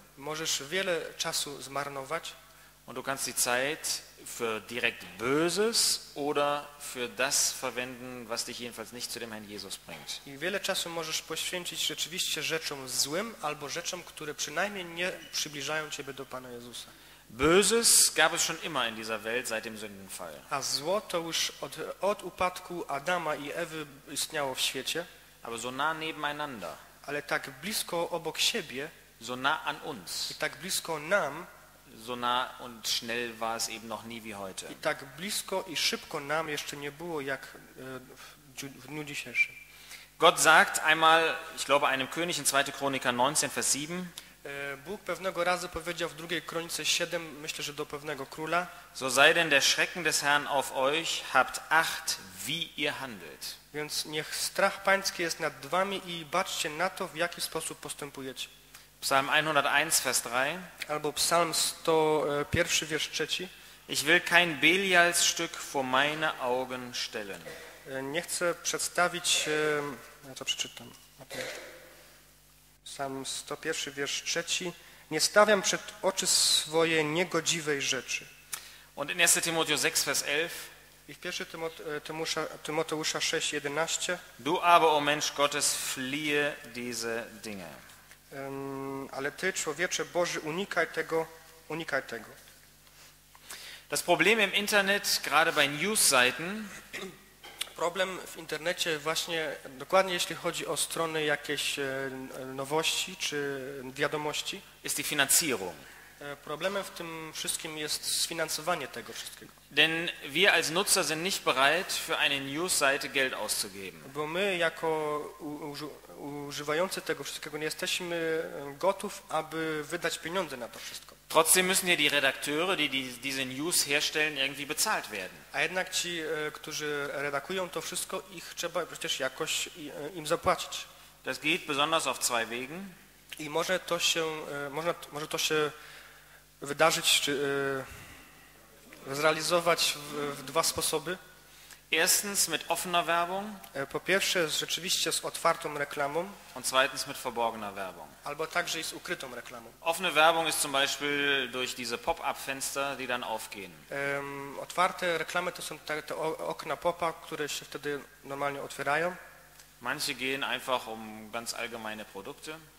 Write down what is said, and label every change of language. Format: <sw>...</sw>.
<pl>Możesz wiele czasu zmarnować.</pl> <de>Und du kannst die Zeit für direkt Böses oder für das verwenden, was dich jedenfalls nicht zu dem Herrn Jesus bringt.</de> <pl>I wiele czasu możesz poświęcić rzeczywiście rzeczom złym albo rzeczom, które przynajmniej nie przybliżają ciebie do Pana Jezusa.</pl> <de>Böses gab es schon immer in dieser Welt seit dem Sündenfall.</de> <pl>A zło to już od upadku Adama i Ewy istniało w świecie.</pl> <de>Aber so nah nebeneinander.</de> <pl>Ale tak blisko obok siebie.</pl> <de>So nah an uns.</de> <pl>I tak blisko nam.</pl> <de>So nah und schnell war es eben noch nie wie heute.</de> <pl>I tak blisko i szybko nam jeszcze nie było jak w dniu dzisiejszym.</pl> <de>Gott sagt einmal, ich glaube einem König in 2. Chroniker 19, Vers 7.</de> <pl>Bóg pewnego razu powiedział w 2. Kronice 7, myślę, że do pewnego króla.</pl> <de>So sei denn der Schrecken des Herrn auf euch, habt acht, wie ihr handelt.</de> <pl>Więc niech strach pański jest nad wami i baczcie na to, w jaki sposób postępujecie.</pl> <de>Psalm 101, Vers 3.</de> <pl>Albo Psalm 101, Vers 3.</pl> <de>Ich will kein Belialsstück vor meine Augen stellen.</de> <pl>Nie chcę przedstawić... Ja to przeczytam. Psalm 101, Vers 3. Nie stawiam przed oczy swoje niegodziwej rzeczy.</pl> <de>Und in 1. Timotheus 6, Vers 11.</de> <pl>I w 1. Tymoteusza 6, 11.</pl> <de>Du aber, o Mensch Gottes, fliehe diese Dinge.</de> <pl>Ale ty, człowiecze Boży, unikaj tego, unikaj tego.</pl> <de>Das Problem im Internet, gerade bei News-Seiten,</de> <pl>problem w internecie właśnie, dokładnie jeśli chodzi o strony jakieś nowości czy wiadomości,</pl> <de>ist die Finanzierung.</de> <pl>Problemem w tym wszystkim jest sfinansowanie tego wszystkiego.</pl> <de>Denn wir als Nutzer sind nicht bereit, für eine News-Seite Geld auszugeben.</de> <pl>Bo my jako używający tego wszystkiego nie jesteśmy gotów, aby wydać pieniądze na to wszystko.</pl> <de>Trotzdem müssen ja die Redakteure, die diese News herstellen, irgendwie bezahlt werden.</de> <pl>A jednak ci, którzy redakują to wszystko, ich trzeba przecież jakoś im zapłacić.</pl> <de>Das geht besonders auf zwei Wegen.</de> <pl>I może to się, może to się wydarzyć, czy zrealizować w dwa sposoby.</pl> <de>Erstens mit offener Werbung.</de> <pl>Po pierwsze, rzeczywiście z otwartą reklamą.</pl> <de>Und zweitens mit verborgener Werbung.</de> <pl>Albo także i z ukrytą reklamą.</pl> <de>Offene Werbung ist zum Beispiel durch diese Pop-up-Fenster, die dann aufgehen.</de> <pl>Otwarte reklamy to są te okna pop-up, które się wtedy normalnie otwierają.</pl> <de>Manche gehen einfach um ganz allgemeine Produkte.</de>